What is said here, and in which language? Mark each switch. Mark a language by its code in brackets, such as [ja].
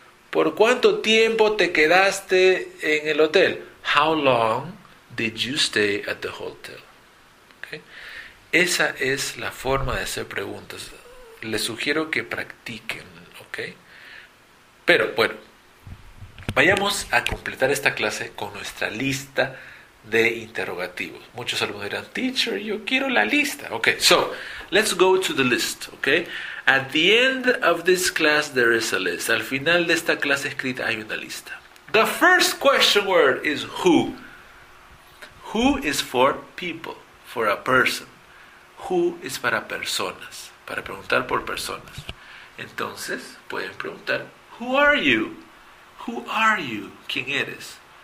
[es] ¿Por cuánto tiempo te quedaste en el hotel? [en] How long did you stay at the hotel? [es] ¿Okay? Esa es la forma de hacer preguntas. Les sugiero que practiquen, ¿ok? Pero bueno, vayamos a completar esta clase con nuestra lista de interrogativos. Muchos alumnos dirán, teacher, yo quiero la lista. [en] Ok, so, let's go to the list, ok? At the end of this class, there is a list. [es] Al final de esta clase escrita hay una lista. [en] The first question word is who. Who is for people, for a person. Who is [es] para personas, para preguntar por personas. Entonces, pueden preguntar, [en] who are you? Who are you? [es] ¿Quién eres?